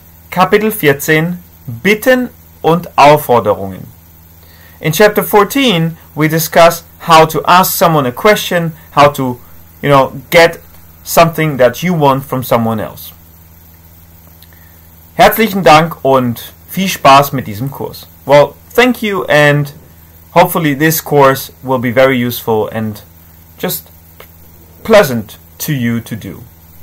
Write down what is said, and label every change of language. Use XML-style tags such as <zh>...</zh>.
<de>Kapitel 14, Bitten und Aufforderungen.</de> <en>In Chapter 14, we discuss how to ask someone a question, how to, you know, get something that you want from someone else.</en> <de>Herzlichen Dank und viel Spaß mit diesem Kurs.</de> <en>Well, thank you and hopefully this course will be very useful and just pleasant to you to do.</en>